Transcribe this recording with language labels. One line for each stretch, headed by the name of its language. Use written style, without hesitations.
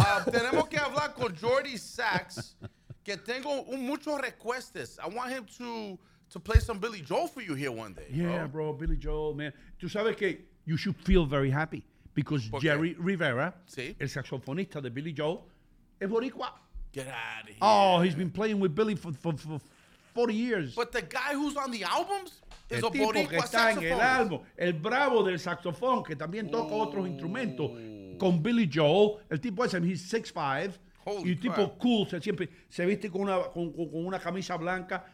Spanish: Tenemos que hablar con Jordy Sachs, que tengo muchos requests.
English: I want him to play some Billy Joel for you here one day. Yeah, bro, Billy Joel, man.
Spanish: Tú sabes que
English: you should feel very happy because Jerry Rivera,
Spanish: ¿sí? El saxofonista de Billy Joel, es boricua.
English: Get out of here. Oh, he's been playing with Billy for 40 years. But the guy who's on the albums is
Spanish: el
English: a boricua saxophonist.
Spanish: El álbum, el bravo del saxofón, que también toca otros instrumentos con Billy Joel. El tipo ese,
English: he's 6'5". Holy
Spanish: y el tipo cool, siempre se viste con una camisa blanca.